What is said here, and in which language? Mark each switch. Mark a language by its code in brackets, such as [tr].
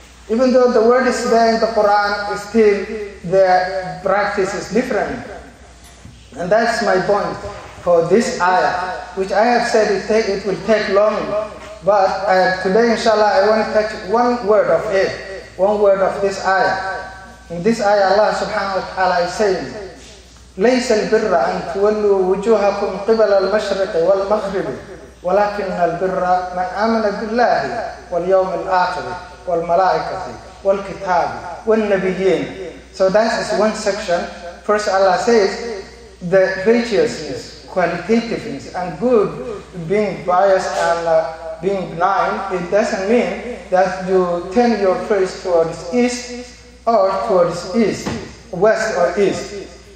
[en] Even though the word is there in the Quran, still the practice is different. And that's my point for this ayah, which I have said it will take long. But today, inshallah, I want to touch one word of this ayah. In this ayah, Allah subhanahu wa ta'ala is saying, [ar] ليس البر أن تولوا وجوهكم قبل المشرق والمغرب ولكن البر من آمن بالله واليوم الآخر والملائكة والكتاب والنبيين. [en] So that is one section. First Allah says the righteousness, qualitativeness and good, being pious and being benign, it doesn't mean that you turn your face towards east or towards east, west or east.